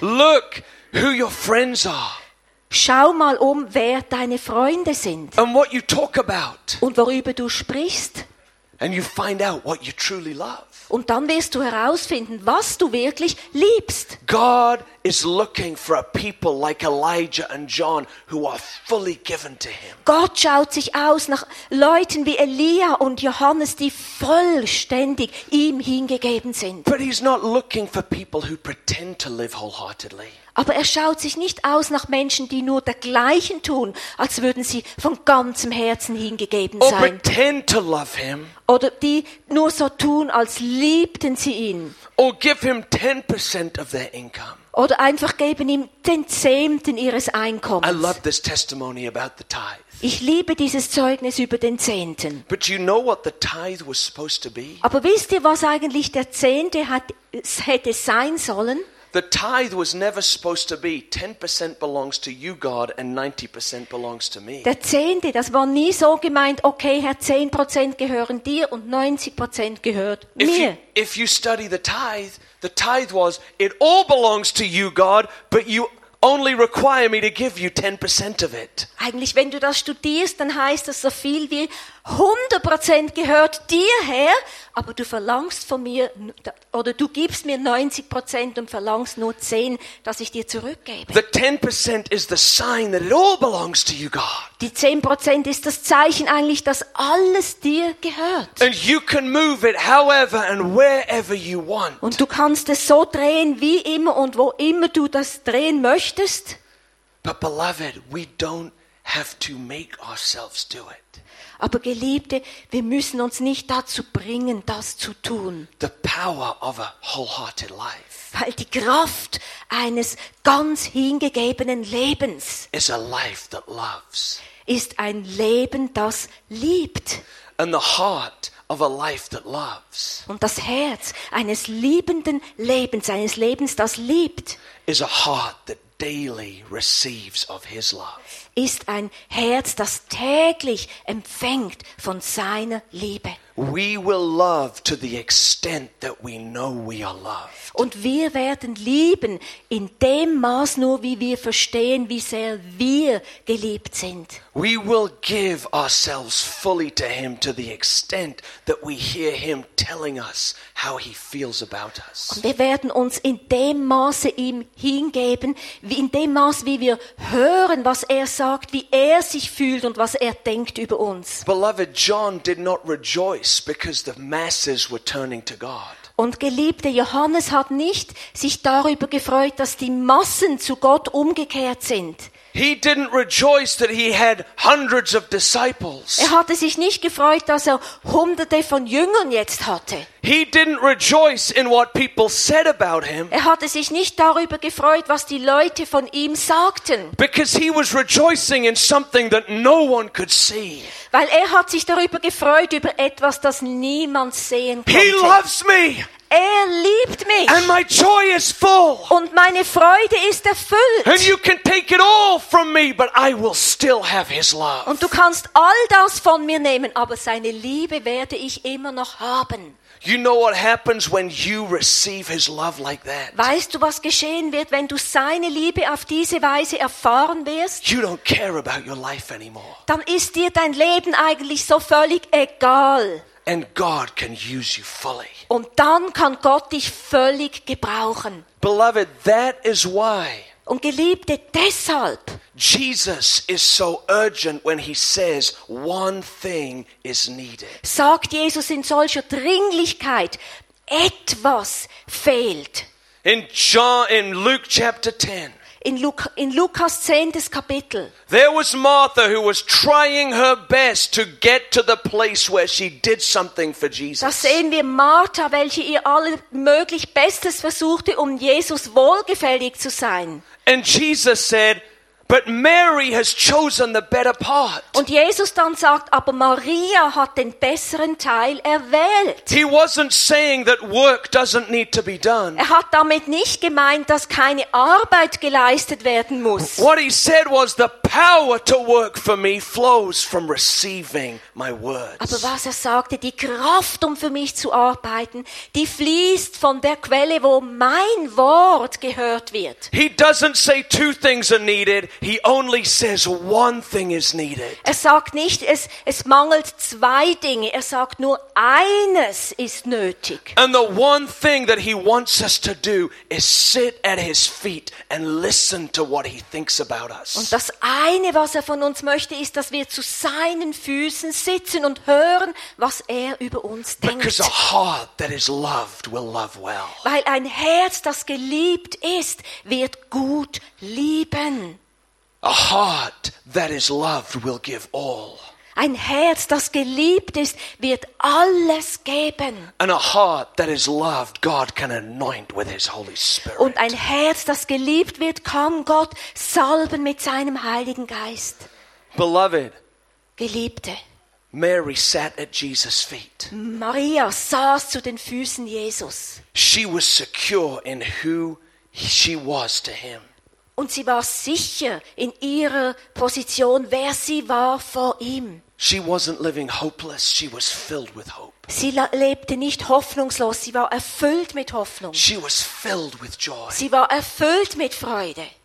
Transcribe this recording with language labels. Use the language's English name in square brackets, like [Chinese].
[English] Look who your friends are. [German] Schau mal um, wer deine Freunde sind. [English] And what you talk about. [German] Und worüber du sprichst. [English] And you find out what you truly love. [German] Und dann wirst du herausfinden, was du wirklich liebst. [English] God is looking for a people like Elijah and John who are fully given to him. [German] Gott schaut sich aus nach Leuten wie Elia und Johannes, die vollständig ihm hingegeben sind. [English] But he's not looking for people who pretend to live wholeheartedly. [German] Aber er schaut sich nicht aus nach Menschen, die nur dergleichen tun, als würden sie von ganzem Herzen hingegeben sein. [English] Or pretend to love him. [German] Oder die nur so tun, als liebten sie ihn. [English] Or give him 10% of their income. [German] Oder einfach geben ihm den Zehnten ihres Einkommens. [English] I love this testimony about the tithe. [German] Ich liebe dieses Zeugnis über den Zehnten. [English] But you know what the tithe was supposed to be? [German] Aber wisst ihr, was eigentlich der Zehnte hätte sein sollen? [English] The tithe was never supposed to be 10% belongs to you, God, and 90% belongs to me. [German] Der Zehnte, das war nie so gemeint. Okay, Herr, 10% gehören dir und 90% gehört mir. [English] If you study the tithe was it all belongs to you, God, but you only require me to give you 10% of it. [German] Eigentlich, wenn du das studierst, dann heißt das so viel wie 100% gehört dir, Herr, aber du verlangst von mir, oder du gibst mir 90% und verlangst nur 10, dass ich dir zurückgebe. [English] The 10% is the sign that it all belongs to you, God. [German] Die 10% ist das Zeichen eigentlich, dass alles dir gehört. [English] And you can move it however and wherever you want. [German] Und du kannst es so drehen, wie immer und wo immer du das drehen möchtest. [English] But beloved, we don't have to make ourselves do it. [German] Aber Geliebte, wir müssen uns nicht dazu bringen, das zu tun. [English] The power of a wholehearted life. [German] Weil die Kraft eines ganz hingegebenen Lebens [English] is a life that loves. [German] Ist ein Leben, das liebt. [English] And the heart of a life that loves. [German] Und das Herz eines liebenden Lebens, eines Lebens, das liebt, [English] is a heart that daily receives of his love. [German] Ist ein Herz, das täglich empfängt von seiner Liebe. [English] We will love to the extent that we know we are loved. [German] Und wir werden lieben in dem Maß nur, wie wir verstehen, wie sehr wir geliebt sind. [English] We will give ourselves fully to him to the extent that we hear him telling us how he feels about us. [German] Und wir werden uns in dem Maße ihm hingeben, wie in dem Maß, wie wir hören, was er sagt, wie er sich fühlt und was er denkt über uns. [English] Beloved, John did not rejoice because the masses were turning to God. [German] Und geliebter Johannes hat nicht sich darüber gefreut, dass die Massen zu Gott umgekehrt sind. [English] He didn't rejoice that he had hundreds of disciples. [German] Er hatte sich nicht gefreut, dass er hunderte von Jüngern jetzt hatte. [English] He didn't rejoice in what people said about him. [German] Er hatte sich nicht darüber gefreut, was die Leute von ihm sagten. [English] Because he was rejoicing in something that no one could see. [German] Weil er hat sich darüber gefreut über etwas, das niemand sehen konnte. [English] He loves me. [German] Er liebt mich. [English] And my joy is full. [German] Und meine Freude ist erfüllt. [English] And you can take it all from me, but I will still have his love. [German] Und du kannst all das von mir nehmen, aber seine Liebe werde ich immer noch haben. [English] You know what happens when you receive his love like that? [German] Weißt du, was geschehen wird, wenn du seine Liebe auf diese Weise erfahren wirst? [English] You don't care about your life anymore. [German] Dann ist dir dein Leben eigentlich so völlig egal. [English] And God can use you fully. [German] Und dann kann Gott dich völlig gebrauchen. [English] Beloved, that is why. [German] Und Geliebte, deshalb. [English] Jesus is so urgent when he says one thing is needed. [German] Sagt Jesus in solcher Dringlichkeit, etwas fehlt. [English] In Luke chapter 10. [German] In Lukas 10. Kapitel. [English] There was Martha who was trying her best to get to the place where she did something for Jesus. [German] Da sehen wir Martha, welche ihr allmöglich Bestes versuchte, um Jesus wohlgefällig zu sein. [English] And Jesus said, But Mary has chosen the better part. [German] Und Jesus dann sagt, aber Maria hat den besseren Teil erwählt. [English] He wasn't saying that work doesn't need to be done. [German] Er hat damit nicht gemeint, dass keine Arbeit geleistet werden muss. [English] What he said was, the power to work for me flows from receiving my words. [German] Aber was er sagte, die Kraft, um für mich zu arbeiten, die fließt von der Quelle, wo mein Wort gehört wird. [English] He doesn't say two things are needed. He only says one thing is needed. [German] Er sagt nicht, es mangelt zwei Dinge. Er sagt nur, eines ist nötig. [English] And the one thing that he wants us to do is sit at his feet and listen to what he thinks about us. [German] Und das eine, was er von uns möchte, ist, dass wir zu seinen Füßen sitzen und hören, was er über uns denkt. [English] Because a heart that is loved will love well. [German] Weil ein Herz, das geliebt ist, wird gut lieben. [English] A heart that is loved will give all. [German] Ein Herz, das geliebt ist, wird alles geben. [English] And a heart that is loved, God can anoint with His Holy Spirit. [German] Und ein Herz, das geliebt wird, kann Gott salben mit seinem Heiligen Geist. [English] Beloved, [German] Geliebte, [English] Mary sat at Jesus' feet. [German] Maria saß zu den Füßen Jesus. [English] She was secure in who she was to Him. [German] Und sie war sicher in ihrer Position, wer sie war vor ihm. [English] She wasn't living hopeless, she was filled with hope. [German] Sie lebte nicht hoffnungslos, sie war erfüllt mit Hoffnung. [English] She was filled with joy. [German] Sie war erfüllt mit Freude.